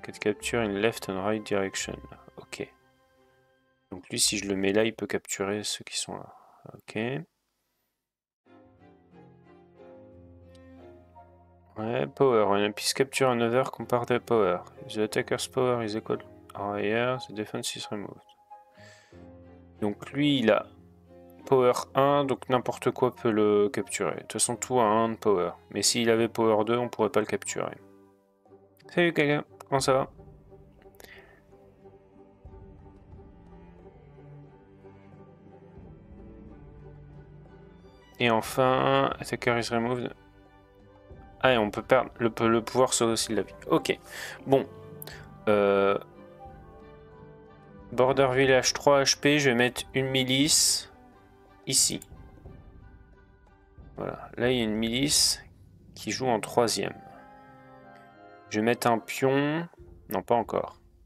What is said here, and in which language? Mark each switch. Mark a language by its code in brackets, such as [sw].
[fr] Quatre [en] captures in left and right direction. Ok. [fr] Donc lui, si je le mets là, il peut capturer ceux qui sont là. Ok. Ouais, [en] power. Un piece capture another compare the power. The attacker's power is equal to higher. The defense is removed. [fr] Donc lui, il a... Power 1, donc n'importe quoi peut le capturer. De toute façon, tout a 1 de power. Mais s'il avait power 2, on pourrait pas le capturer. Salut, Kaga. Comment ça va? Et enfin, [en] attacker is removed. [fr] Ah, et on peut perdre. Le pouvoir sauve aussi la vie. Ok. Bon. Border Village 3 HP, je vais mettre une milice. Ici. Voilà. Là, il y a une milice qui joue en troisième. Je vais mettre un pion. Non, pas encore.